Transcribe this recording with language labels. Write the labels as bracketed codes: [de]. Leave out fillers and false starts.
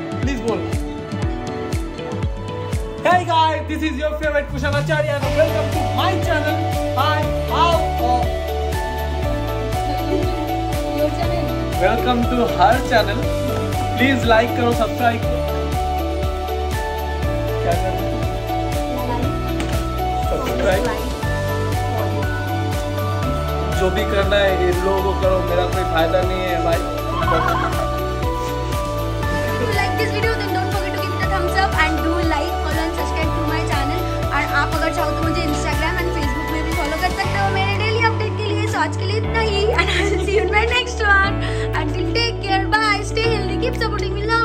[en] please बोल hello guys this is your favourite Kushal Acharya and welcome to my channel hi how welcome to her channel [hi] please like करो subscribe करो [en] Right. [hi] जो भी करना है इन लोगों को करो मेरा कोई फायदा नहीं है भाई [en] If you like this video, then don't forget to give it a thumbs up and do like, follow and subscribe to my channel. [hi] और आप अगर चाहो तो मुझे Instagram and Facebook में भी follow कर सकते हो मेरे daily update के लिए. [en] So [hi] आज के लिए इतना ही. [en] And I'll see you in my next one. Until take care, bye. Stay healthy, keep supporting.